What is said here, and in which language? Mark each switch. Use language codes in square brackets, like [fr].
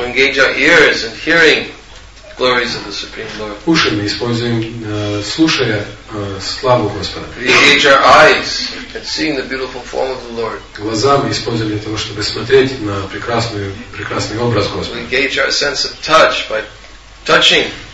[en] We engage our ears in hearing the glories of the Supreme Lord. [ru] Уши мы используем, слушая славу Господа. [en] We engage our eyes in seeing the beautiful form of the Lord. [ru] Глаза мы используем для того, чтобы смотреть на прекрасный образ Господа. [en] We engage our sense of touch by touching.